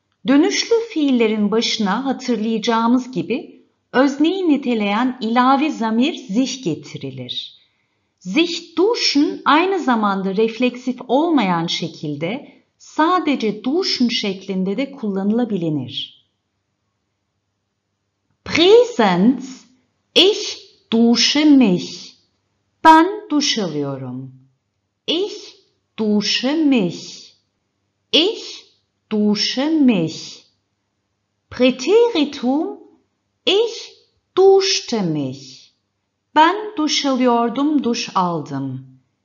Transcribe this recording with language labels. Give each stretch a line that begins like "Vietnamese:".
Turkish: Dönüşlü fiillerin başına hatırlayacağımız gibi özneyi niteleyen ilave zamir sich getirilir. Sich duschen aynı zamanda refleksif olmayan şekilde sadece duschen şeklinde de kullanılabilir.
German: Präsens, ich dusche mich.
Turkish: Ben duş alıyorum.
German: Ich dusche mich. Ich dusche mich. Präteritum, ich duschte mich.
Turkish: Ben duş alıyordum, duş aldım.